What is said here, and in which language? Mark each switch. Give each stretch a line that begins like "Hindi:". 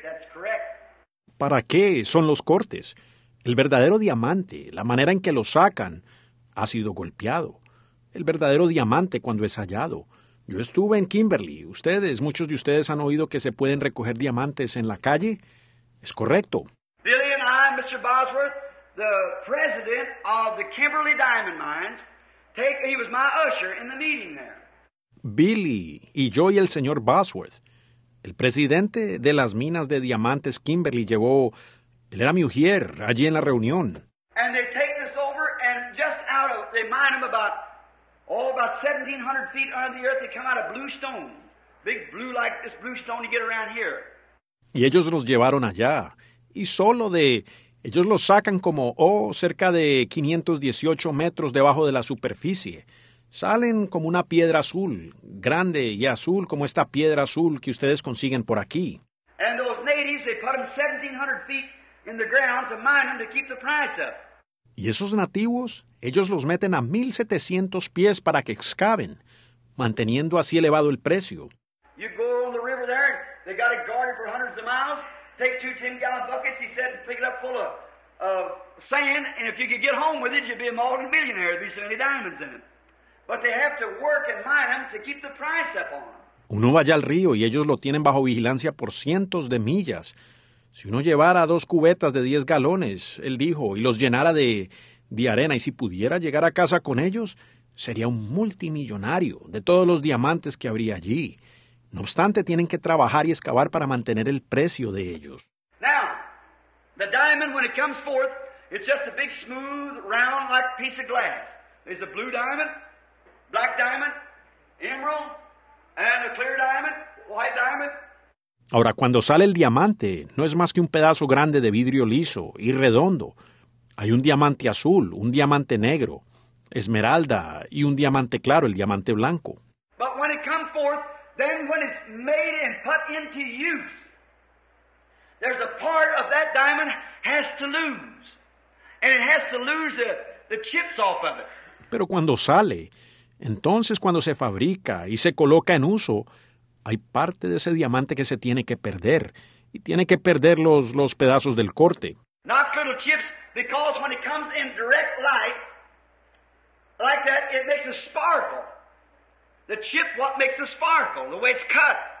English: That's correct.
Spanish: ¿Para qué son los cortes? El verdadero diamante, la manera en que lo sacan, ha sido golpeado. El verdadero diamante cuando es hallado. Yo estuve en Kimberly. Ustedes, muchos de ustedes han oído que se pueden recoger diamantes en la calle. Es correcto.
English: Billy and I, Mr. Bosworth, the president of the Kimberly Diamond Mines, he was my usher in the meeting there.
Spanish: Billy y yo y el señor Bosworth, el presidente de las minas de diamantes Kimberly llevó, él era mi ujier allí en la reunión.
English: And they've taken us over and just out of, they mine them about 1,700 feet under the earth, they come out of blue stone. Big blue like this blue stone you get around here.
Spanish: Y ellos los llevaron allá. Y solo de, ellos los sacan como, cerca de 518 metros debajo de la superficie. Salen como una piedra azul, grande y azul como esta piedra azul que ustedes consiguen por aquí.
English: And those natives, they put them 1,700 feet in the ground to mine them to keep the price up.
Spanish: Y esos nativos, ellos los meten a 1,700 pies para que excaven, manteniendo así elevado el precio.
English: You go on the river there, they got it guarded for hundreds of miles. Take 2 10-gallon buckets, he said, and pick it up full of sand. And if you could get home with it, you'd be a multi-millionaire. There'd be so many diamonds in it. But they have to work and mine them to keep the price up on them.
Spanish: Uno vaya al río y ellos lo tienen bajo vigilancia por cientos de millas. Si uno llevara 2 cubetas de 10 galones, él dijo, y los llenara de arena, y si pudiera llegar a casa con ellos, sería un multimillonario de todos los diamantes que habría allí. No obstante, tienen que trabajar y excavar para mantener el precio de ellos.
English: Now, the diamond, when it comes forth, it's just a big, smooth, round, like a piece of glass. There's a blue diamond, black diamond, emerald, and a clear diamond, white diamond.
Spanish: Ahora, cuando sale el diamante, no es más que un pedazo grande de vidrio liso y redondo. Hay un diamante azul, un diamante negro, esmeralda y un diamante claro, el diamante blanco.
English: But when it comes forth, then when it's made and put into use, there's a part of that diamond has to lose. And it has to lose the chips off of it.
Spanish: Pero cuando sale, entonces cuando se fabrica y se coloca en uso, hay parte de ese diamante que se tiene que perder, y tiene que perder los pedazos del corte.
English: Not little chips, because when it comes in direct light, like that, it makes a sparkle. The chip, what makes a sparkle, the way it's cut.